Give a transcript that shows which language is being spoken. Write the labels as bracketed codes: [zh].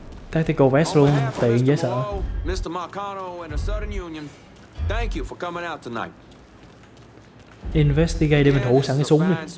[en] Tactical vest [vi] luôn, tiện dễ sợ. [en] Mr. Marcano and the Southern Union, thank you for coming out tonight. [vi] Investigate để mình thủ sẵn cái súng đi.